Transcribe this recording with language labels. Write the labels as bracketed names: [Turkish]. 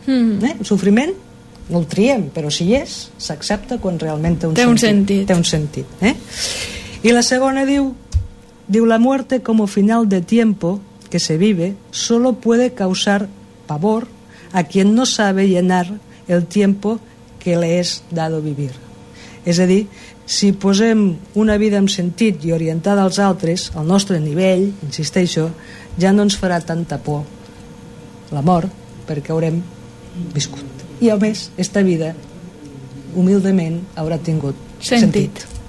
[Catalan] El sufriment no el triem, però si hi és, s'accepta quan realment té un sentit. Té un sentit. I la segona diu, [Spanish] la muerte como final de tiempo que se vive solo puede causar pavor a quien no sabe llenar el tiempo que le es dado vivir. [Catalan] És a dir, si posem una vida amb sentit i orientada als altres, al nostre nivell, insisteixo, ja no ens farà tanta por la mort, perquè haurem viscut. I a més, esta vida humildament haurà tingut sentit.